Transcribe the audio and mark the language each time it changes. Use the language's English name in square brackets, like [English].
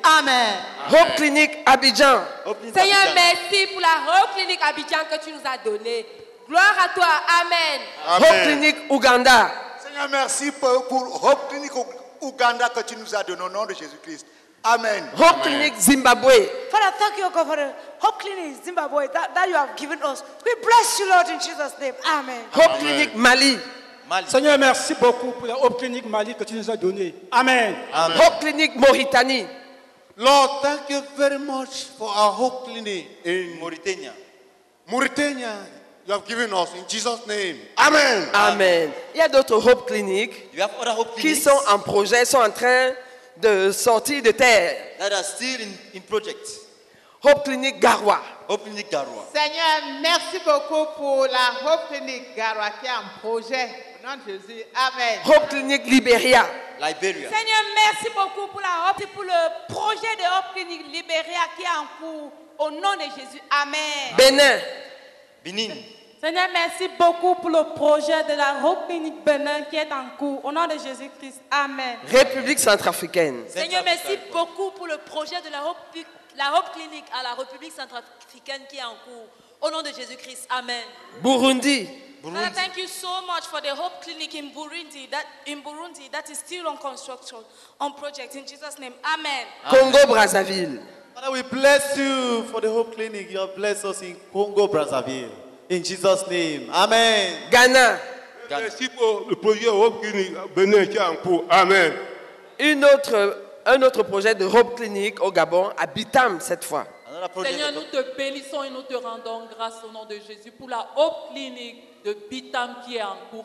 [English] Amen. Amen. Hope Clinic Abidjan. Hope Clinic [French] Seigneur, Abidjan. Merci pour la Hope Clinic Abidjan que tu nous as donnée. Gloire à toi. Amen. Amen. Hope Clinic Ouganda. Seigneur, merci pour Hope Clinic Ouganda que tu nous as donnée au nom de Jésus-Christ. Amen. [English] Hope Clinic Zimbabwe. Father, thank you, God, for the Hope Clinic Zimbabwe that you have given us. We bless you, Lord, in Jesus' name. Amen. Hope Amen. Clinic Mali. Mali. [French] Seigneur, merci beaucoup pour la Hope Clinic Mali que tu nous as donnée. Amen. Amen. Hope Clinic Mauritanie. [English] Lord, thank you very much for our Hope Clinic in Mauritania. Mauritania, you have given us in Jesus' name. Amen. [French] Amen. Il y a d'autres Hope Clinics. [English] You have other Hope [French] Clinics. Qui sont en projet, sont en train de sortie de terre. [English] That are still in project. Hope Clinic Garoua. Hope Clinic Garoua. [French] Seigneur, merci beaucoup pour la Hope Clinic Garoua qui est en projet. Au nom de Jésus. Amen. Hope Clinic Liberia. Liberia. Seigneur, merci beaucoup pour la Hope pour le projet de Hope Clinic Liberia qui est en cours. Au nom de Jésus. Amen. Bénin. Bénin. Seigneur, merci beaucoup pour le projet de la Hope Clinic Benin qui est en cours. Au nom de Jésus-Christ, amen. République centrafricaine. Seigneur, merci beaucoup pour le projet de la Hope Clinic à la République centrafricaine qui est en cours. Au nom de Jésus-Christ, amen. Burundi. Burundi. [English] Father, thank you so much for the Hope Clinic in Burundi that is still on construction, on project. In Jesus' name, amen. Congo-Brazzaville. Father, we bless you for the Hope Clinic. You have blessed us in Congo-Brazzaville. In Jesus' name. Amen. Ghana. [French] Merci pour le projet Hope Clinic Benin qui est en cours. Amen. Un autre projet de Hope Clinic au Gabon, à Bitam cette fois. Seigneur, nous te bénissons et nous te rendons grâce au nom de Jésus pour la Hope Clinic de Bitam qui est en cours.